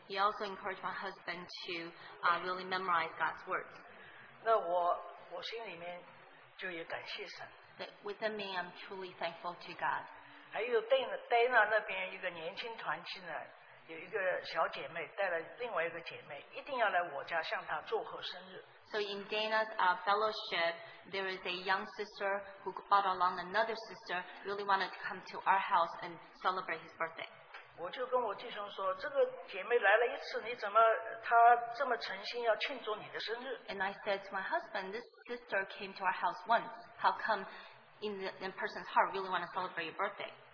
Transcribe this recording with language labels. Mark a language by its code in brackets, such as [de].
[en] He also encouraged my husband to really memorize God's words. [zh] 那我心里面就也感谢神。 [en] Within me, I'm truly thankful to God. [zh] 还有Dana那边一个年轻团契呢, 有一个小姐妹带了另外一个姐妹，一定要来我家向她祝贺生日。 [en] So in Dana's fellowship, there is a young sister who brought along another sister really wanted to come to our house and celebrate his birthday. [zh] 我就跟我弟兄说，这个姐妹来了一次，你怎么她这么诚心要庆祝你的生日？ [en] And I said to my husband, this sister came to our house once. How come in the person's heart really want to celebrate your birthday?